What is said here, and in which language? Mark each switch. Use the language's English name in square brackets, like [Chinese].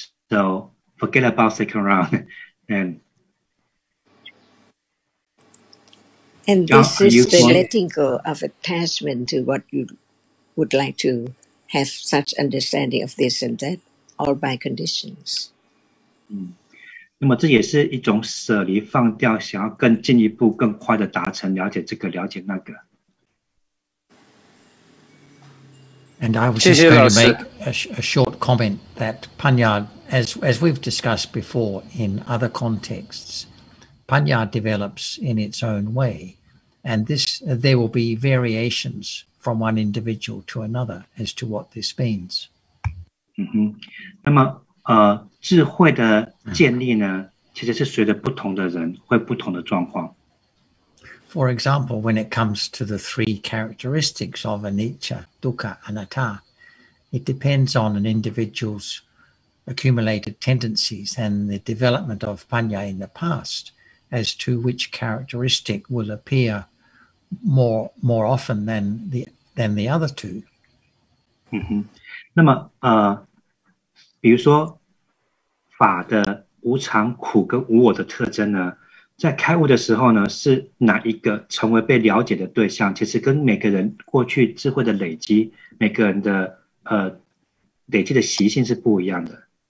[English] So forget about second round. And this is the letting go of attachment to what you would like to have such understanding of this and that, all by conditions. [Chinese] 那么这也是一种舍离放掉，想要更进一步更快的达成了解这个了解那个。 [English] And I was just going to make a short comment that Panya, as we've discussed before in other contexts, Panya develops in its own way, and this there will be variations from one individual to another as to what this means. [Chinese] 嗯哼，那么智慧的建立呢，其实是随着不同的人会不同的状况。 [English] For example, when it comes to the three characteristics of anicca, dukkha, anatta, it depends on an individual's accumulated tendencies and the development of panya in the past as to which characteristic will appear more often than the other two. [Chinese] 嗯哼，那么比如说法的无常、苦跟无我的特征呢，在开悟的时候呢，是哪一个成为被了解的对象？其实跟每个人过去智慧的累积、每个人的累积的习性是不一样的。